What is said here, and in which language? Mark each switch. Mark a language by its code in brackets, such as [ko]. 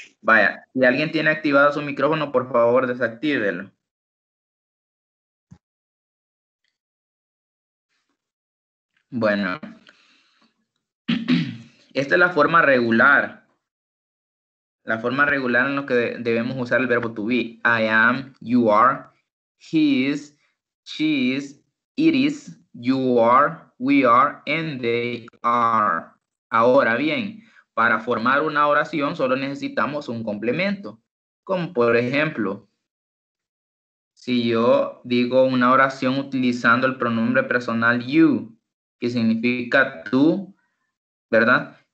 [es] Vaya, si alguien tiene activado su micrófono, por favor, desactívelo. Bueno, esta es la forma regular. La forma regular en la que debemos usar el verbo to be. [en] I am, you are, he is, she is, it is, you are, we are, and they are. [es] Ahora bien, para formar una oración solo necesitamos un complemento. Como por ejemplo, Si yo digo una oración utilizando el pronombre personal you, que significa tú, ¿verdad?